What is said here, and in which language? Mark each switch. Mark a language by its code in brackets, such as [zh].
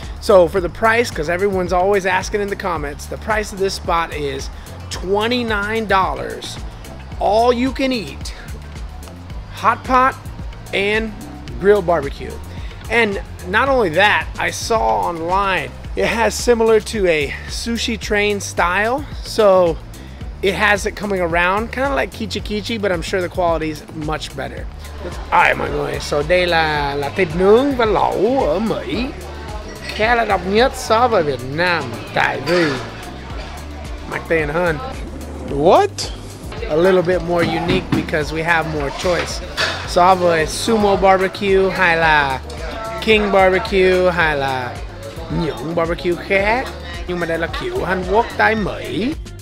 [en] So for the price, because everyone's always asking in the comments, the price of this spot is $29, all you can eat, hot pot and grilled barbecue. And not only that, I saw online, it has similar to a sushi train style. So it has it coming around, kind of like Kichi Kichi, but I'm sure the quality is much better. All right, [vi] mọi người, so đây là thịt nướng và lẩu ở Mỹ. Khá là độc nhất so với Việt Nam, tại vì Mạch Tiền hơn. [en] What? A little bit more unique because we have more choice. [vi] So với sumo barbecue hay là King barbecue hay là những barbecue khác. Nhưng mà đây là kiểu Hàn Quốc tại Mỹ.